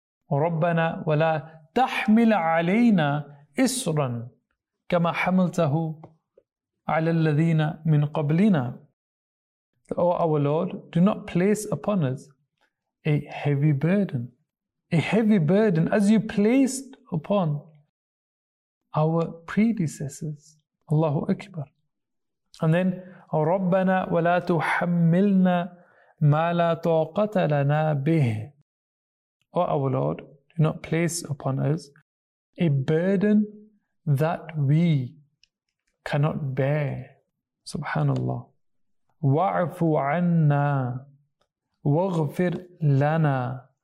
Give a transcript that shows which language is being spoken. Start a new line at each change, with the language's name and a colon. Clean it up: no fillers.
Arabic: رَبَّنَا وَلَا تَحْمِلْ عَلَيْنَا إِسْرًا كَمَا حَمَلْتَهُ عَلَى الَّذِينَ مِنْ قَبْلِنَا.
English: O our Lord, do not place upon us a heavy burden. A heavy burden as you placed upon our predecessors.
Arabic: Allahu Akbar.
English: And then,
Arabic: رَبَّنَا وَلَا تُحَمِّلْنَا مَا لَا طَاقَةَ لَنَا بِهِ.
English: O our Lord, do not place upon us a burden that we cannot bear.
Arabic: Subhanallah. وَعْفُ عَنَّا وَغْفِرْ لَنَا.